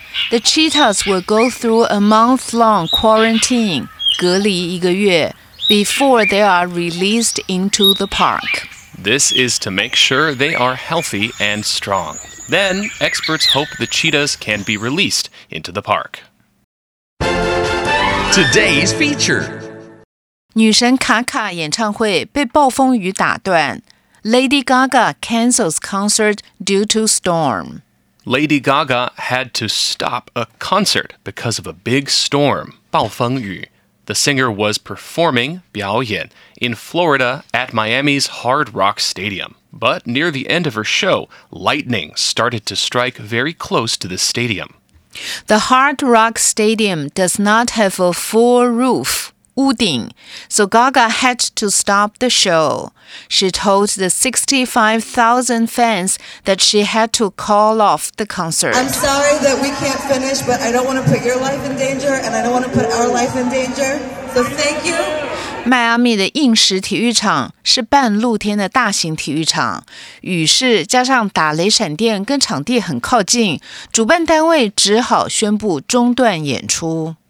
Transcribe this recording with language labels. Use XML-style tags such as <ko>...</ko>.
<en>The cheetahs will go through a month-long quarantine,</en> <zh>隔离一个月,</zh> <en>before they are released into the park. This is to make sure they are healthy and strong. Then, experts hope the cheetahs can be released into the park. Today's feature.</en> <zh>女神卡卡演唱会被暴风雨打断。</zh> <en>Lady Gaga cancels concert due to storm. Lady Gaga had to stop a concert because of a big storm, 暴风雨. The singer was performing 表演 in Florida at Miami's Hard Rock Stadium. But near the end of her show, lightning started to strike very close to the stadium. The Hard Rock Stadium does not have a full roof, 屋顶, so Gaga had to stop the show. She told the 65,000 fans that she had to call off the concert. I'm sorry that we can't finish, but I don't want to put your life in danger, and I don't want to put our life in danger, so thank you.</en> <zh>迈阿密的硬石体育场是半露天的大型体育场，雨势加上打雷闪电跟场地很靠近，主办单位只好宣布中断演出。</zh>